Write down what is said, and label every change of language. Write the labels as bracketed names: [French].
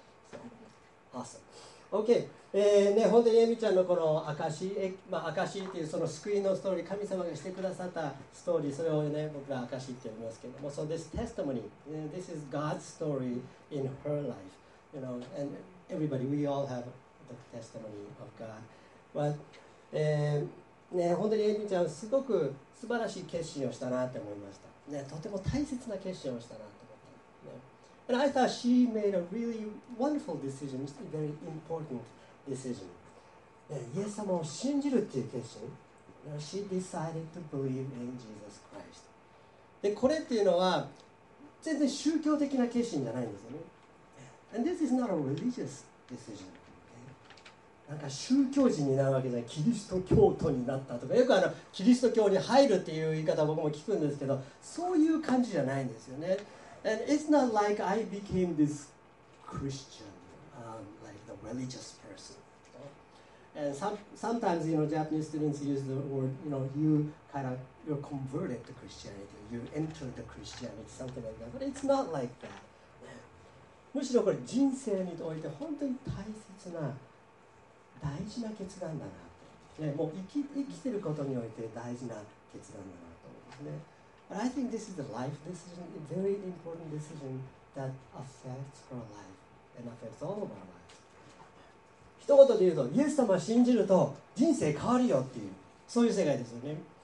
[Japanese] So, awesome. OK、ね、本当にエミちゃんのこの証、まあ、証っていうその救いのストーリー、神様がしてくださったストーリー、それを、ね、僕ら証って呼びますけども、 [English] So this testimony, this is God's story in her life. You know, and everybody, we all have the testimony of God. [Japanese] But,、ね、本当にエミちゃん、すごく素晴らしい決心をしたなって思いました、ね。とても大切な決心をしたな。 [English] And I thought she made a really wonderful decision, a very important decision. [Japanese] イエス様を信じるっていう決心。 [English] She decided to believe in Jesus Christ. [Japanese] で、これっていうのは全然宗教的な決心じゃないんですよね。 [English] And this is not a religious decision. [Japanese] なんか宗教人になるわけじゃない。キリスト教徒になったとか。よくキリスト教に入るっていう言い方僕も聞くんですけど、そういう感じじゃないんですよね。 [English] And it's not like I became this Christian, like the religious person. And sometimes, you know, Japanese students use the word, you know, you're converted to Christianity, you entered the Christianity, something like that. But it's not like that. [Japanese] むしろこれ人生において本当に大切な、大事な決断だなって。ね、もう生きてることにおいて大事な決断だなと思うんですね。 [English] But I think this is a life decision, a very important decision that affects her life and affects all of our lives. [Japanese] 一言で言うと、イエス様を信じると人生変わるよっていう、そういう世界ですよね。